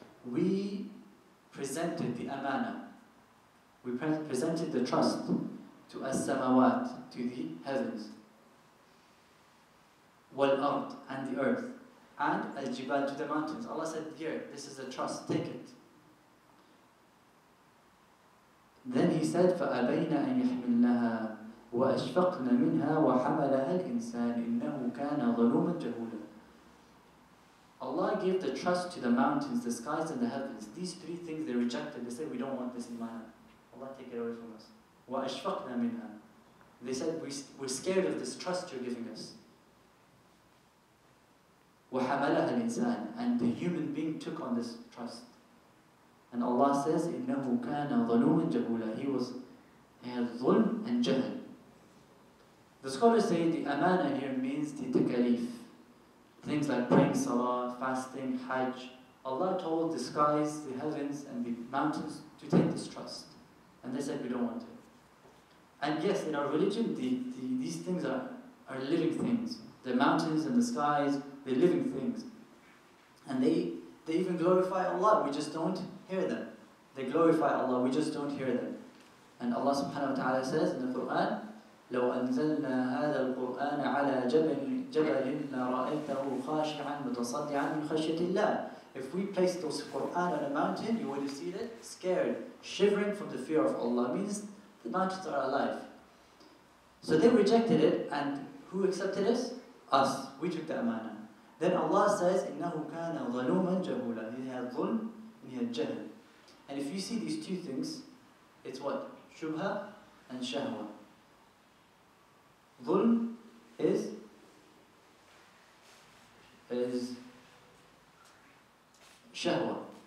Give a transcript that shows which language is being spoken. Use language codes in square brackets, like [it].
[en] We presented the amana. We presented the trust to as-samawat, to the heavens. Wal ard, and the earth. And al-jibal, to the mountains. Allah said, here, this is a trust, take it. Then he said, [ar] فَأَبَيْنَا أَنْ يَحْمِلْنَهَا وَأَشْفَقْنَا مِنْهَا وَحَمَلَهَا الْإِنسَانِ إِنَّهُ كَانَ ظَلُومًا جَهُولًا. [en] Allah gave the trust to the mountains, the skies and the heavens. These three things they rejected. They said, we don't want this in my hand. Allah take it away from us. [ar] وَأَشْفَقْنَا مِنْهَا. [en] They said, we're scared of this trust you're giving us. [ar] وَحَمَلَهَا الْإِنسَانِ. [en] And the human being took on this trust. And Allah says, [ar] إِنَّهُ كَانَ ظَلُومًا جَهُولًا. [en] He had ظُلْم and جَهَل. The scholars say the amana here means the takalif. Things like praying salah, fasting, hajj. Allah told the skies, the heavens, and the mountains to take this trust. And they said, we don't want it. And yes, in our religion, these things are living things. The mountains and the skies, they're living things. And they even glorify Allah, we just don't hear them. They glorify Allah, we just don't hear them. And Allah subhanahu wa ta'ala says in the Quran, [ar] لَوْ أَنزَلْنَا هَذَا الْقُرْآنَ عَلَى جَبَلٍ لَرَأَيْتَهُ خَاشِعًا مُتَصَدِّعًا مِنْ خَشْيَةِ اللَّهِ. [en] If we place those Quran on a mountain, you would have seen it scared, shivering from the fear of Allah. Means the mountains are alive. So they rejected it, and who accepted us? Us. We took the amana. Then Allah says, [ar] إِنَّهُ كَانَ ظَلُومًا جَهُولًا. [en] He had ظُلْم and he had جَهْل. And if you see these two things, it's what? Shubha and shahwa. ظُلْم is shahwa.